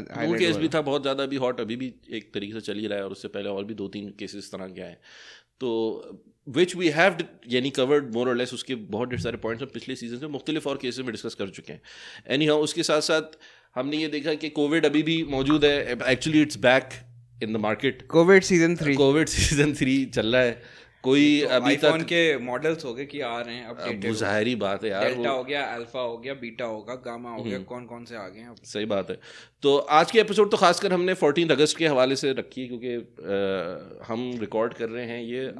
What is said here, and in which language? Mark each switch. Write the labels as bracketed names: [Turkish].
[Urdu] نور case بھی تھا بہت زیادہ, بھی ہاٹ ابھی بھی ایک طریقے سے چل ہی رہا ہے, اور اس سے پہلے اور بھی دو تین کیسز طرح کے آئے, تو [English] which we have [Urdu] یعنی [English] Covered more or less. [Urdu] اس کے بہت ڈھیر سارے پوائنٹس ہم پچھلے سیزن میں مختلف اور کیسز میں ڈسکس کر چکے ہیں. اینی ہاؤ, اس کے ساتھ ساتھ ہم نے یہ دیکھا کہ کووڈ ابھی بھی موجود ہے. [English] actually it's back in the market, [Urdu] Covid season 3, Covid season 3 چل رہا ہے. کوئی ابھی تک کے ماڈلس ہو گئے کہ آ رہے ہیں, اب ظاہری بات ہے یار, ڈیلٹا ہو گیا, الفا ہو گیا, بیٹا ہوگا, گاما ہو گیا, کون کون سے آ گئے ہیں. صحیح بات ہے. تو آج کے ایپیسوڈ تو خاص کر ہم نے 14 اگست کے حوالے سے رکھی ہے, کیونکہ ہم ریکارڈ کر رہے ہیں یہ.